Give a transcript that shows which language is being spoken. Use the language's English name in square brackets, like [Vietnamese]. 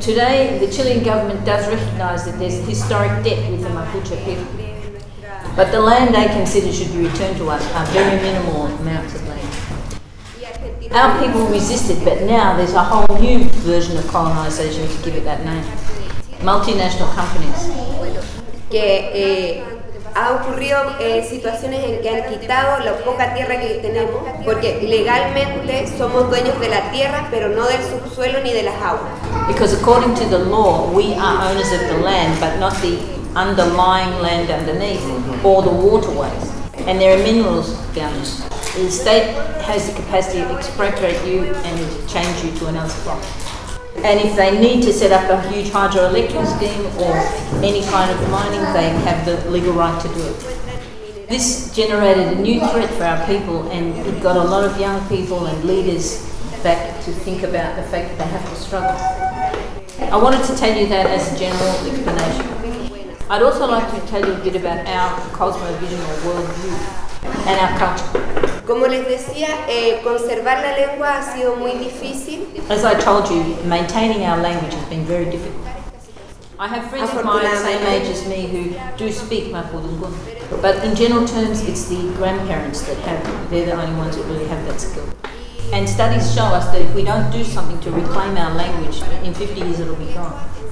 [English] Today, the Chilean government does recognise that there's a historic debt with the Mapuche people. But the land they consider should be returned to us are very minimal amounts of land. Our people resisted, but now there's a whole new version of colonisation, to give it that name. Multinational companies. [Spanish] Ha ocurrido situaciones en que han quitado la poca tierra que tenemos, porque legalmente somos dueños de la tierra, pero no del subsuelo ni de las aguas. [English] Because according to the law, we are owners of the land, but not the underlying land underneath, or the waterways. And there are minerals down there. The state has the capacity to expropriate you and change you to another spot. And if they need to set up a huge hydroelectric scheme or any kind of mining, they have the legal right to do it. This generated a new threat for our people, and it got a lot of young people and leaders back to think about the fact that they have to struggle. I wanted to tell you that as a general explanation. I'd also like to tell you a bit about our cosmovision or worldview and our culture. [Spanish] Como les decía, conservar la lengua ha sido muy difícil. [English] As I told you, maintaining our language has been very difficult. I have friends of mine the same age as me who do speak Mapudungun. But in general terms, it's the grandparents that have, they're the only ones that really have that skill. And studies show us that if we don't do something to reclaim our language, in 50 years it'll be gone.